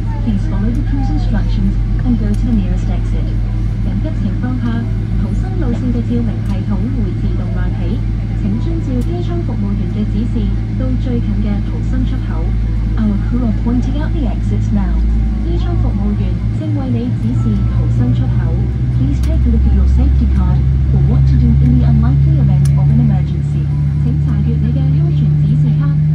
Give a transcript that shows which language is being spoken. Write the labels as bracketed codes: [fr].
[en] Please follow the crew's instructions and go to the nearest exit. [yue] 緊急情況下，逃生路線嘅照明系統會自動亮起，請遵照機艙服務員嘅指示到最近嘅逃生出口。 [en] Our crew are pointing out the exits now. [yue] 機艙服務員正為你指示逃生出口。 [en] Please take a look at your safety card for what to do in the unlikely event of an emergency. [yue] 請查閱你嘅安全指示卡。